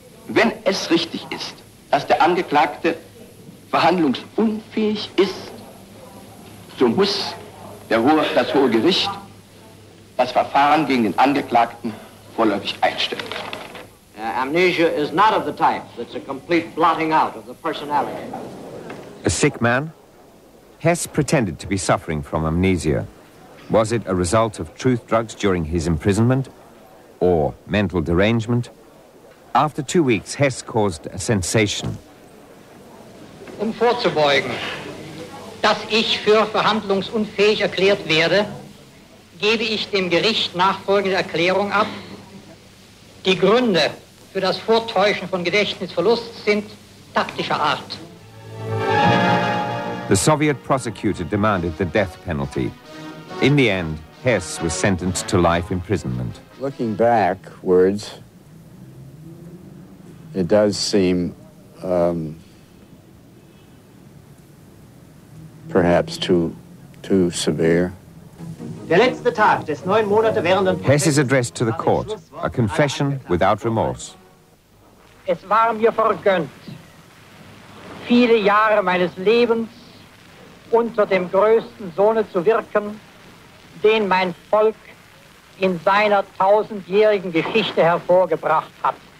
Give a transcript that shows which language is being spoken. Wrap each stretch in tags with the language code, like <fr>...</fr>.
<de>Wenn es richtig ist, dass der Angeklagte verhandlungsunfähig ist, so muss das Hohe Gericht das Verfahren gegen den Angeklagten vorläufig einstellen.</de> <en>Amnesia is not of the type that's a complete blotting out of the personality. A sick man? Hess pretended to be suffering from amnesia. Was it a result of truth drugs during his imprisonment or mental derangement? After 2 weeks, Hess caused a sensation.</en> <de>Um vorzubeugen, dass ich für verhandlungsunfähig erklärt werde, gebe ich dem Gericht nachfolgende Erklärung ab. Die Gründe für das Vortäuschen von Gedächtnisverlust sind taktischer Art.</de> <en>The Soviet prosecutor demanded the death penalty. In the end, Hess was sentenced to life imprisonment. Looking backwards, it does seem perhaps too severe. Hess's address to the court, a confession without remorse.</en> <de>Es war mir vergönnt, viele Jahre meines Lebens unter dem größten Sohne zu wirken, den mein Volk in seiner tausendjährigen Geschichte hervorgebracht hat.</de>